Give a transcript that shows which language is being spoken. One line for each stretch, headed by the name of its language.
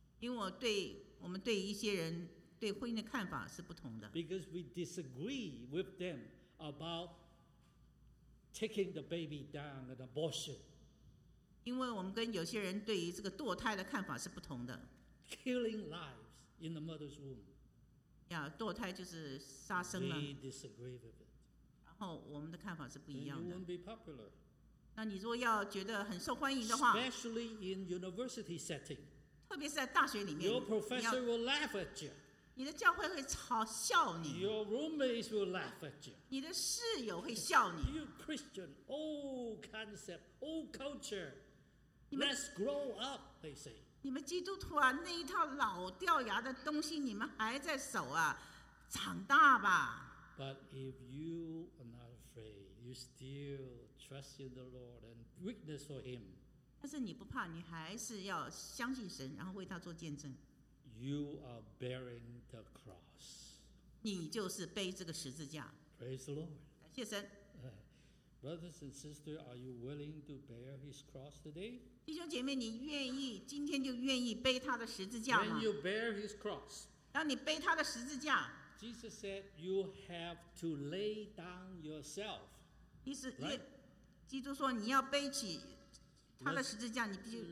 Chinese: 因为我们对一些人对婚姻的看法是不同的。
English: Because we disagree with them about taking the baby down an abortion.
Chinese: 因为我们跟有些人对于这个堕胎的看法是不同的。
English: Killing lives in the mother's womb.
Chinese: 呀，堕胎就是杀生了。
English: We disagree with it.
Chinese: 然后我们的看法是不一样的。
English: You won't be popular.
Chinese: 那你如果要觉得很受欢迎的话
English: ，especially in university setting，
Chinese: 特别是在大学里面
English: ，your professor will laugh at you，
Chinese: 你的教会会嘲笑你
English: ，your roommates will laugh at you，
Chinese: 你的室友会笑你
English: ，you Christian old concept old culture， let's grow up they say，
Chinese: 你们基督徒啊那一套老掉牙的东西你们还在守啊，长大吧。
English: But if you are not afraid, you still trust in the Lord and witness for Him.
Chinese: 但是你不怕，你还是要相信神，然后为他做见证。
English: You are bearing the cross.
Chinese: 你就是背这个十字架。
English: Praise the Lord.
Chinese: 感谢神。
English: Brothers and sisters, are you willing to bear His cross today?
Chinese: 弟兄姐妹，你愿意今天就愿意背他的十字架吗？
English: When you bear His cross,
Chinese: 当你背他的十字架。
English: Jesus said, "You have to lay down yourself."
Chinese: 意思，基督说你要背起他的十字架，你必须。